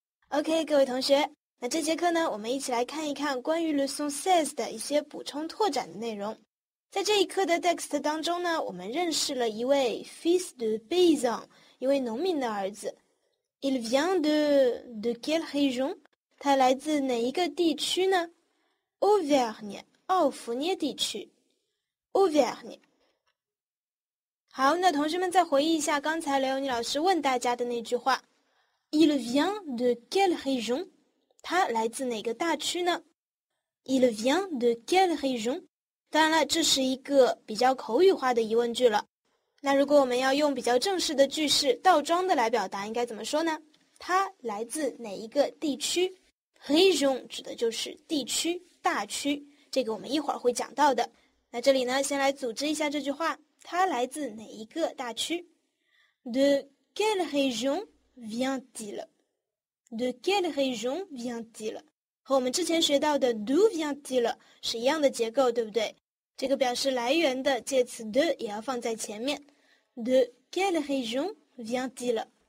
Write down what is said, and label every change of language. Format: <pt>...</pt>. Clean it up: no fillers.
<zh>OK, 各位同学，那这节课呢，我们一起来看一看关于 Leçon 16的一些补充拓展的内容。在这一课的 text 当中呢，我们认识了一位</zh> <fr>fils de paysan,</fr> <zh>一位农民的儿子。</zh> <fr>Il vient de quelle région?</fr> <zh>他来自哪一个地区呢 ?Auvergne, 奥弗涅地区。</zh> <fr>Auvergne。</fr> <zh>好，那同学们再回忆一下刚才刘妮老师问大家的那句话。</zh> <fr>Il vient de quelle région?</fr> <zh>他来自哪个大区呢</zh> <fr>?Il vient de quelle région?</fr> <zh>当然了，这是一个比较口语化的疑问句了。那如果我们要用比较正式的句式倒装的来表达，应该怎么说呢？他来自哪一个地区？Région 指的就是地区、大区，这个我们一会儿会讲到的。那这里呢，先来组织一下这句话，它来自哪一个大区 ？</zh> <fr>De quelle région vient-il？ De quelle région vient-il？</fr> <zh>和我们之前学到的</zh> <fr>d'où vient-il</fr> <zh>是一样的结构，对不对？这个表示来源的介词 de 也要放在前面。</zh> <fr>De quelle région vient-il？</fr>